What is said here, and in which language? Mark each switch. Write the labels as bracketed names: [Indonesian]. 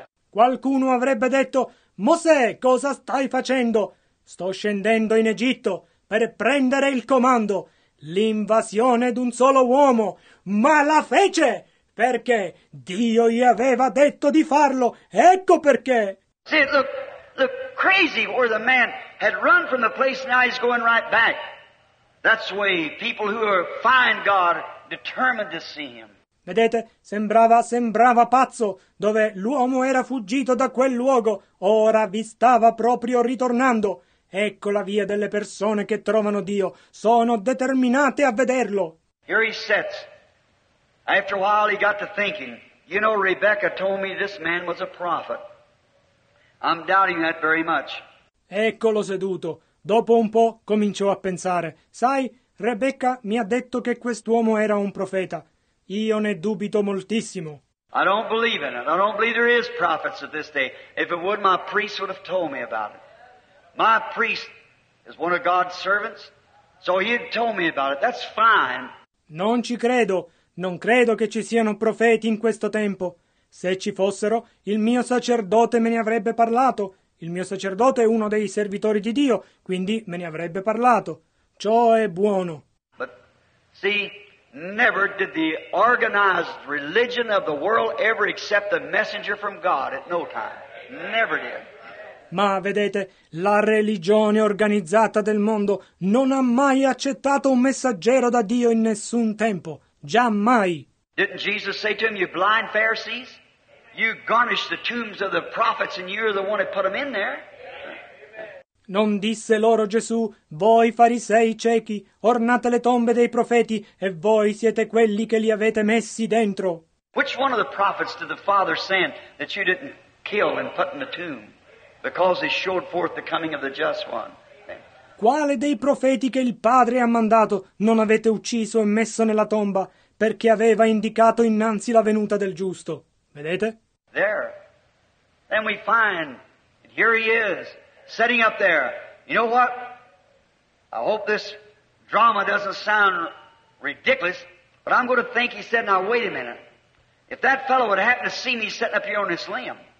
[Italian] Qualcuno avrebbe detto, Mosè, cosa stai facendo? Sto scendendo in Egitto per prendere il comando. L'invasione d'un solo uomo, ma la fece perché Dio gli aveva detto di farlo. Ecco perché. [English] See, look crazy where the man had run from the place, now he's going right back. That's the way people who are find God determined to see him. [Italian] Vedete, sembrava pazzo, dove l'uomo era fuggito da quel luogo, ora vi stava proprio ritornando. Ecco la via delle persone che trovano Dio, sono determinate a vederlo. [English] Here he sits. After a while he got to thinking, you know, Rebecca told me this man was a prophet. I'm doubting that very much. [Italian] Eccolo seduto. Dopo un po' cominciò a pensare. Sai, Rebecca mi ha detto che quest'uomo era un profeta. Io ne dubito moltissimo. [English] I don't believe in it. I don't believe there is prophets of this day. If it would, my priest would have told me about it. My priest is one of God's servants, so he had told me about it. That's fine. [Italian] Non ci credo. Non credo che ci siano profeti in questo tempo. Se ci fossero, il mio sacerdote me ne avrebbe parlato. Il mio sacerdote è uno dei servitori di Dio, quindi me ne avrebbe parlato. Ciò è buono. [English] But see, never did the organized religion of the world ever accept a messenger from God at no time. Never did. [Italian] Ma vedete, la religione organizzata del mondo non ha mai accettato un messaggero da Dio in nessun tempo, giammai. [English] Didn't Jesus say to him, you blind Pharisees, you garnish the tombs of the prophets and you're the one that put them in there? [Italian] Non disse loro Gesù, voi farisei ciechi, ornate le tombe dei profeti e voi siete quelli che li avete messi dentro. [English] Which one of the prophets did the Father send that you didn't kill and put in the tomb? Because he showed forth the coming of the just one. [Italian] Quale dei profeti che il Padre ha mandato non avete ucciso e messo nella tomba perché aveva indicato innanzi la venuta del giusto? Vedete? [English] There. Then we find, and here he is, sitting up there. You know what? I hope this drama doesn't sound ridiculous, but I'm going to think he said, now wait a minute. If that fellow would happen to see me sitting up here on this limb.